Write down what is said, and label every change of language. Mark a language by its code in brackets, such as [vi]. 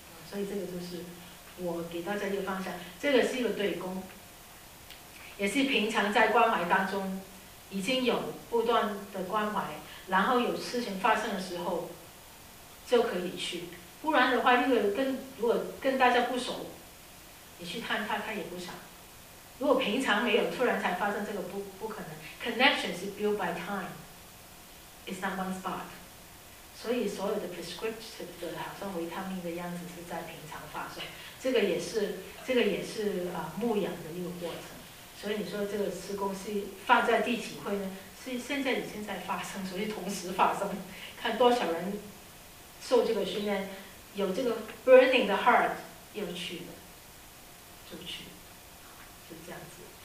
[zh] 所以这个就是我给大家一个方向，这个是一个对公，也是平常在关怀当中已经有不断的关怀，然后有事情发生的时候就可以去。不然的话这个跟如果跟大家不熟你去探他，他也不想。如果平常没有突然才发生，这个不可能。 [en] Connection is built by time, it's not one spot。 [zh] 所以所有的 prescriptive 的好像维他命的样子是在平常发生，这个也是牧养的一个过程。所以你说这个施工是放在第几会呢？是现在已经在发生，所以同时发生，看多少人受这个训练，有这个 [en] burning the heart [zh] 又去了，就去，就这样子。